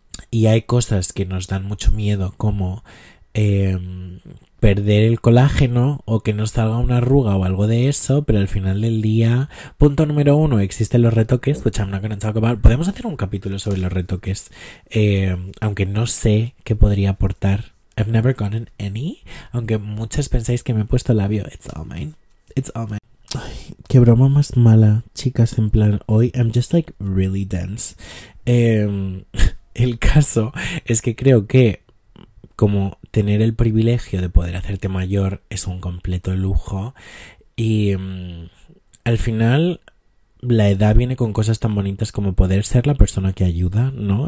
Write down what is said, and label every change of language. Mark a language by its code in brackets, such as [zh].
[es] Y hay cosas que nos dan mucho miedo, como perder el colágeno o que nos salga una arruga o algo de eso, pero al final del día, punto número uno, existen los retoques, [en] which I'm not gonna talk about. [es] Podemos hacer un capítulo sobre los retoques, aunque no sé qué podría aportar. [en] I've never gotten any. [es] Aunque muchos pensáis que me he puesto labio. [en] It's all mine. It's all mine. [es] Ay, qué broma más mala, chicas. En plan, hoy [en] I'm just like really dense. [es] El caso es que creo que como tener el privilegio de poder hacerte mayor es un completo lujo. Y al final la edad viene con cosas tan bonitas como poder ser la persona que ayuda, ¿no?